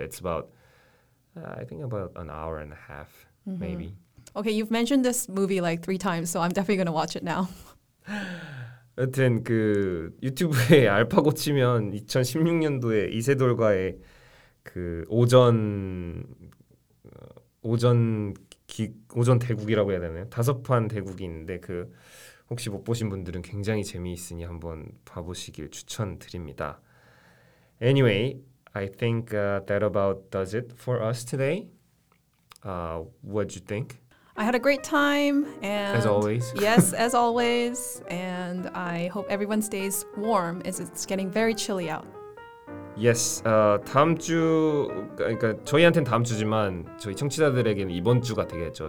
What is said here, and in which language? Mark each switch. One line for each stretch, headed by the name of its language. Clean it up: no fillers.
English: It's about, I think, about an hour and a half, mm-hmm. maybe. Okay, you've mentioned this movie like three times, so I'm definitely going to watch it now.
Korean: 여튼 그 유튜브에 알파고 치면 2016년도에 이세돌과의 그 오전 대국이라고 해야 되나요? 다섯판 대국이 있는데 그 혹시 못 보신 분들은 굉장히 재미있으니 한번 봐보시길 추천드립니다.
English: Anyway, I think that about does it for us today. What'd you think? I had a great time. And as always. Yes, as always. And I hope everyone stays warm as it's getting very chilly out. Yes.
Korean: 다음 주, 그러니까 저희한테는 다음 주지만 저희 청취자들에게는 이번 주가 되겠죠.